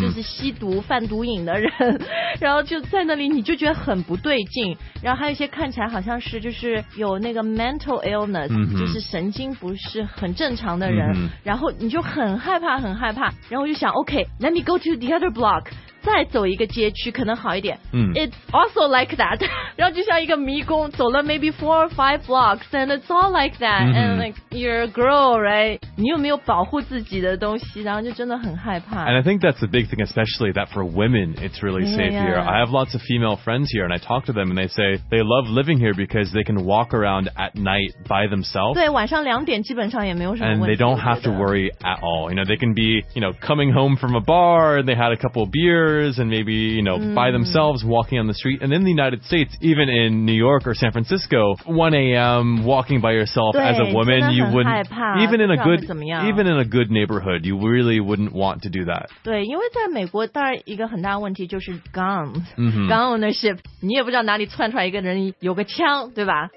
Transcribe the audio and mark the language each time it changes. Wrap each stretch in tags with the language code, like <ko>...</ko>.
<zh>就是吸毒贩毒瘾的人，然后就在那里你就觉得很不对劲，然后还有一些看起来好像是就是有那个 mental illness，、 mm-hmm. 就是神经不是很正常的人， mm-hmm. 然后你就很害怕很害怕，然后我就想 OK，</zh> <en>let me go to the other block。</en> <zh>再走一个街区可能好一点、 mm.</zh> <en>It's also like that</en> <zh>然后就像一个迷宫走了</zh> <en>maybe 4 or 5 blocks and it's all like that、 mm-hmm. and like you're a girl right</en> <zh>你有没有保护自己的东西然后就真的很害怕</zh> <en>and I think that's the big thing especially that for women it's really safe here I have lots of female friends here and I talk to them and they say they love living here because they can walk around at night by themselves</en> <zh>对晚上两点基本上也没有什么问题</zh> <en>and they don't have to worry at all you know they can be you know coming home from a bar and they had a couple of beersand maybe, you know,、mm. by themselves walking on the street. And in the United States, even in New York or San Francisco, 1 a.m. walking by yourself as a woman, you wouldn't, even in a good neighborhood, you really wouldn't want to do that.</en> <zh>对，因为在美国，当然一个很大的问题就是 gun ownership. 你也不知道哪里窜出来一个人有个枪，对吧？</zh>